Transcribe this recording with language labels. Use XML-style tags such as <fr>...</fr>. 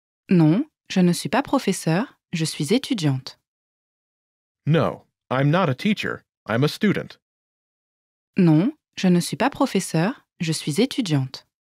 <fr>Non, je ne suis pas professeur, je suis étudiante.</fr> <en>No, I'm not a teacher, I'm a student.</en> <fr>Non, je ne suis pas professeur, je suis étudiante.</fr>